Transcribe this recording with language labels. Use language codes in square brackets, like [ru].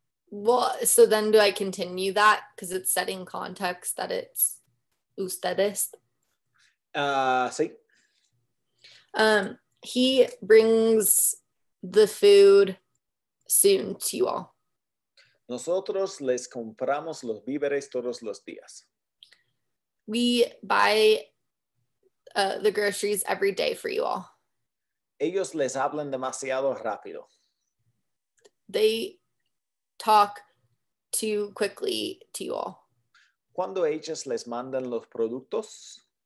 [en] Well, so then do I continue that? Because it's setting context that it's ustedes. [es] Sí. [en] He brings the food soon to you all. [es] Nosotros les compramos los víveres todos los días. [en] We buy the groceries every day for you all. [es] Ellos les hablan demasiado rápido. [en] They talk too quickly to you all. [es] ¿Cuándo ellos les mandan los productos?